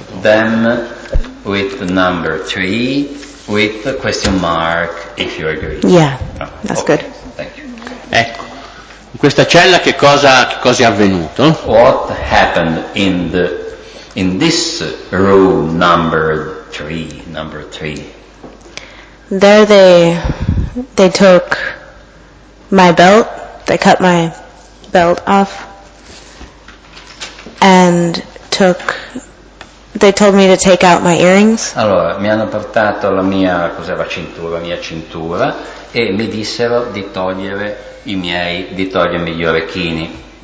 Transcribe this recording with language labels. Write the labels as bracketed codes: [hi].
[en] Then with number 3 with the question mark if you agree. Yeah, that's okay. Good. Thank you. [it] Ecco, in questa cella che cosa è avvenuto? [en] What happened in this room number 3? There they took my belt. They cut my belt off and they told me to take out my earrings. [it] Allora, mi hanno portato la mia cintura e mi dissero di togliere i miei gli orecchini.